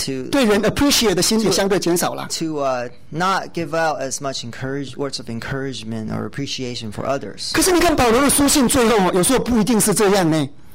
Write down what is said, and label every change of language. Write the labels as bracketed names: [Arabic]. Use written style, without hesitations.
[Chinese] 对人 appreciate 的心也相对减少了 [English] to not give out as much words of encouragement or appreciation for others. [Chinese] 可是你看保罗的书信最后，有时候不一定是这样呢。